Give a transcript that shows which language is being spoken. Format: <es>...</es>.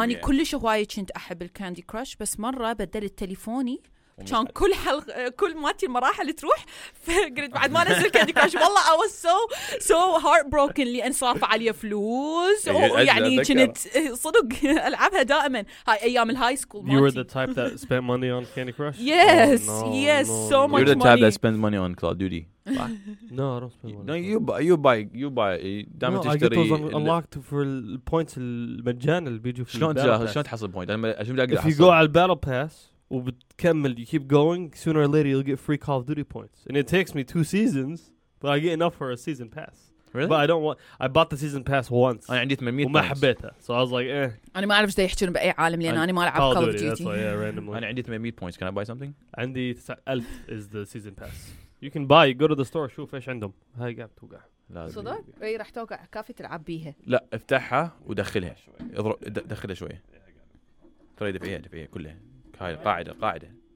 <ar>اني كلش هوايه كنت احب الكاندي كراش بس مره بدلت تليفوني كان كل حلقه كل ماتي المراحل تروح فقلت بعد ما نزل كاندي كراش والله</ar> <en>I was so heartbroken</en> <ar>لان صرف علي فلوس يعني كنت صدق العبها دائما هاي ايام الهاي سكول</ar> <en>you were the type that spent money on candy crush yes oh, no, yes no, so no. much you're the money. Type that spends money on call of duty no I don't spend money no you buy damn it just to unlocked for points</en> <ar>المجان اللي بيجوا في شلون شلون تحصل بوينت انا عشان اقدر احصل</ar> <en>if you go على battle pass وبتكمل you keep going sooner or later you'll get free call of duty points and it takes me 2 seasons but I get enough for a season pass really but I don't want I bought the season pass once</en> <ar>انا عندي 800 وما حبيتها</ar> <en>so I was like eh</en> <ar>انا ما اعرف ايش يحكون باي عالم لان انا ما العب</ar> <en>call of duty that's why, yeah, randomly.</en> <ar>انا عندي</ar> <en>800 points can I buy something عندي 1000 is the season pass you can buy go to the store</en> <ar>شوف ايش عندهم هاي قاعد توقع صدق اي راح توقع كافي تلعب بيها لا افتحها ودخلها شوي دخلها شوي ترى دفعيها دفعيها كلها هاي القاعدة قاعدة.</ar>